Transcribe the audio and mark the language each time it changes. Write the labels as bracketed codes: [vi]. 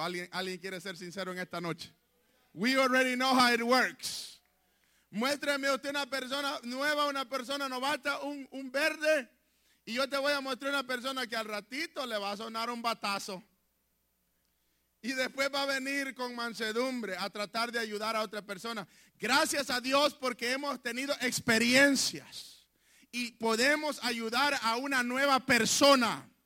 [es] ¿Alguien quiere ser sincero en esta noche? [en] We already know how it works. [es] Muéstrame usted una persona nueva, una persona novata, un verde, y yo te voy a mostrar una persona que al ratito le va a sonar un batazo y después va a venir con mansedumbre a tratar de ayudar a otra persona. Gracias a Dios porque hemos tenido experiencias y podemos ayudar a una nueva persona.